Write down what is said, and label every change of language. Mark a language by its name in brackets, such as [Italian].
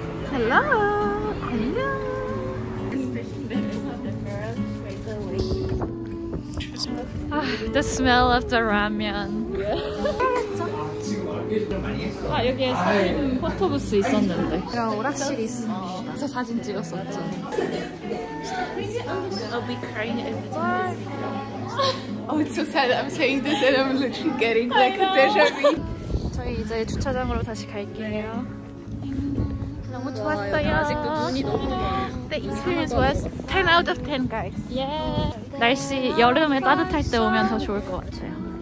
[English] Hello. [Korean] 안녕. [English] The smell of the ramen. Yeah. [Korean] 아, 여기에 사진 포토부스 있었는데. 그럼 오락실 있어. 저 사진 찍었었죠. [English] I'll be crying if it's in this. I'm so sad. I'm saying this and I'm literally getting like a déjà vu. [Korean] 저희 이제 주차장으로 다시 갈게요. 너무 좋았어요. 아직도 눈이 너무 좋아. 네, 이틀 좋았어. [English] 10 out of 10, guys. Yeah. [Korean] 날씨 여름에 따뜻할 때 오면 더 좋을 것 같아요.